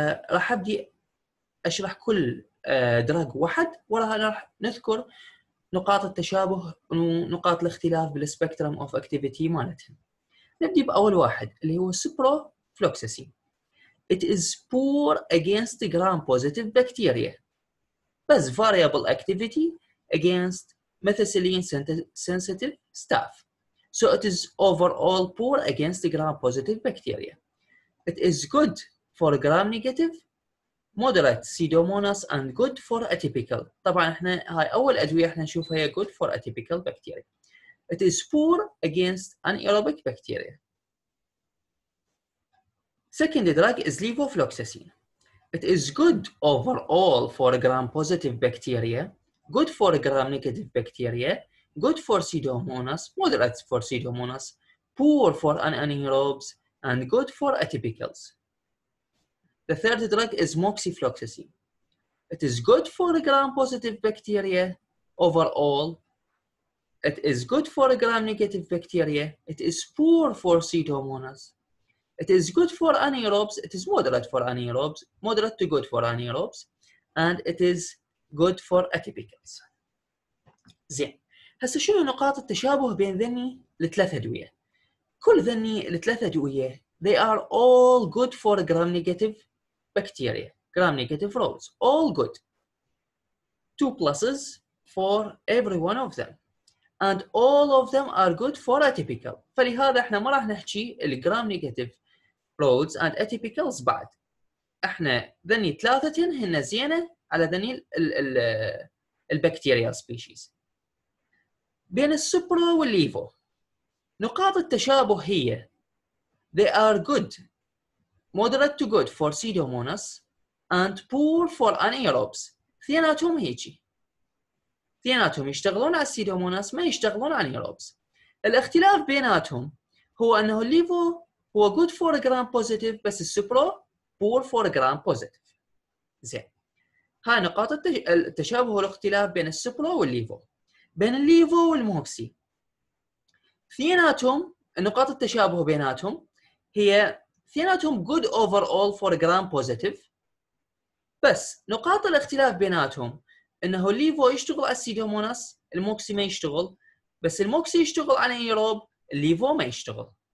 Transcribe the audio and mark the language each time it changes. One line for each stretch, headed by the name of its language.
Arabic: راح ابدي اشرح كل دراج واحد, وراها راح نذكر نقاط التشابه ونقاط الاختلاف
English: بالسبكترم of activity
Arabic: مالتهم. نبدي باول واحد اللي هو سبرو فلوكسسين.
English: It is poor against gram-positive bacteria, but variable activity against methicillin-sensitive staph. So it is overall poor against gram-positive bacteria. It is good for gram-negative, moderate pseudomonas, and good for atypical.
Arabic: طبعا احنا هاي اول ادوية احنا نشوفها هي
English: good for atypical bacteria. It is poor against anaerobic bacteria. Second drug is levofloxacin. It is good overall for gram-positive bacteria, good for gram-negative bacteria, good for pseudomonas, moderate for pseudomonas, poor for anaerobes, and good for atypicals. The third drug is moxifloxacin. It is good for gram-positive bacteria overall. It is good for gram-negative bacteria. It is poor for pseudomonas. It is good for anaerobes, it is moderate for anaerobes, moderate to good for anaerobes, and it is good for atypicals.
Arabic: زين, هسه شنو نقاط التشابه بين ذني الثلاث أدوية؟ كل ذني الثلاث أدوية,
English: they are all good
Arabic: for gram-negative bacteria, gram-negative rows, all good.
English: Two pluses for every one of them. And all of them are good for atypical.
Arabic: فلهذا احنا ما راح نحكي ال
English: gram-negative roads and atypicals
Arabic: بعد. احنا ذني ثلاثتين هن زينه على ذني البكتيريال سبيشيز. بين السوبرو والليفو نقاط التشابه هي
English: they are good moderate to good for pseudomonas and poor for anaerobes.
Arabic: ثيناتهم هيجي, ثيناتهم يشتغلون على السيدوموناس ما يشتغلون على الانيروبس. الاختلاف بيناتهم هو انه الليفو هو
English: good for gram positive
Arabic: بس السوبرو
English: poor for gram positive.
Arabic: زين, هاي نقاط التشابه والاختلاف بين السوبرو والليفو. بين الليفو والموكسي ثيناتهم نقاط التشابه بيناتهم هي ثيناتهم
English: good overall for gram positive,
Arabic: بس نقاط الاختلاف بيناتهم انه الليفو يشتغل على السيدوموناس, الموكسي ما يشتغل, بس الموكسي يشتغل على ايروب, الليفو ما يشتغل.